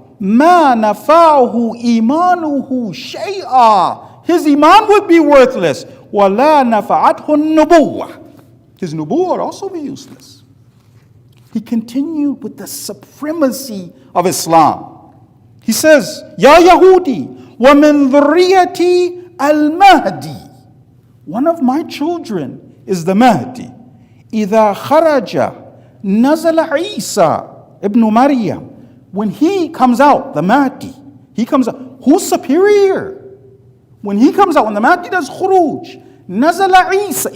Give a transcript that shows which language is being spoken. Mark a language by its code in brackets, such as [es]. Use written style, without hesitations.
[ar] مَا نَفَعُهُ إِمَانُهُ شَيْئًا. [en] His iman would be worthless. [ar] وَلَا نَفَعَتْهُ النُّبُوَّةِ. [en] His nubuwa would also be useless. He continued with the supremacy of Islam. He says, [ar] يَا يَهُودِي وَمِنْ ذُرِّيَّتِي الْمَهْدِي. [en] One of my children is the Mahdi. [ar] إِذَا خَرَجَ نَزَلَ عِيسَى ابْنُ مَرْيَمَ. [en] When he comes out, the Mahdi, he comes out. Who's superior? When he comes out, when the Mahdi does khuruj, [ar] نَزَلَ عِيسَى.